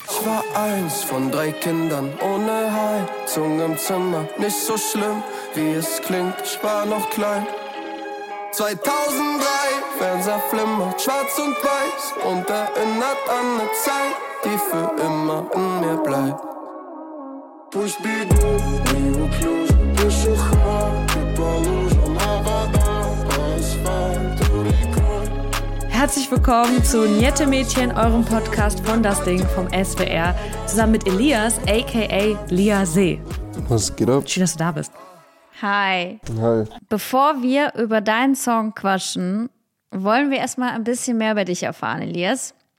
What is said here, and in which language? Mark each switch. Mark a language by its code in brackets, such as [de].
[de] Ich war eins von drei Kindern ohne Heizung im Zimmer. Nicht so schlimm, wie es klingt, ich war noch klein. 2003, Fernseher flimmert, schwarz und weiß und erinnert an eine Zeit, die für immer in mir bleibt. [ru] Пусть бегут неуклюже пешеходы по лужам, а вода по асфальту рекой. [de] Herzlich willkommen zu Niette Mädchen, eurem Podcast von Das Ding vom SWR, zusammen mit Elias, a.k.a. Lia See. Was geht ab? Schön, dass du da bist. Hi. Hi. Bevor wir über deinen Song quatschen, wollen wir erstmal ein bisschen mehr über dich erfahren, Elias.